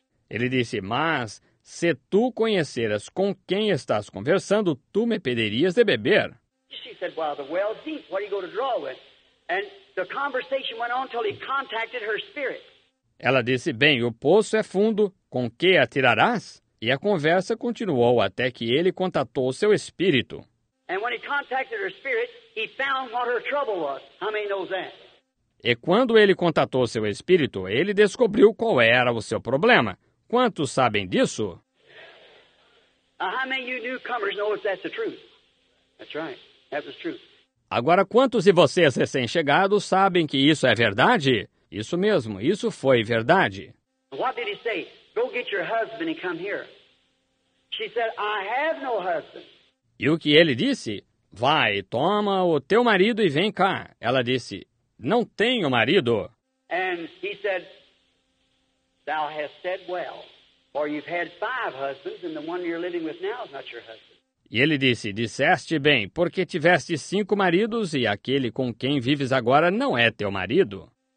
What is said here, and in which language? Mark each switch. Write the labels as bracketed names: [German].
[Portuguese] Ele disse, mas se tu conheceras com quem estás conversando, tu me pederias de beber. [English] She said, well, the well is deep. What are you going to draw with? And the conversation went on till he contacted her spirit. [Portuguese] Ela disse, bem, o poço é fundo, com que atirarás? E a conversa continuou até que ele contatou seu espírito. [English] And when he contacted her spirit, he found what her trouble was. How many knows that? [Portuguese] E quando ele contatou seu espírito, ele descobriu qual era o seu problema. Quantos sabem disso? [English] How many of you newcomers know if that's the truth? That's right. That was true. [Portuguese] Agora, quantos de vocês recém-chegados sabem que isso é verdade? Isso mesmo, isso foi verdade. [English] What did he say? Go get your husband and come here. She said, I have no husband. [Portuguese] E o que ele disse? Vai, toma o teu marido e vem cá. Ela disse, não tenho marido. [English] And he said, thou hast said well, for you've had five husbands, and the one you're living with now is not your husband. [Portuguese] E ele disse, disseste bem, porque tiveste cinco maridos e aquele com quem vives agora não é teu marido.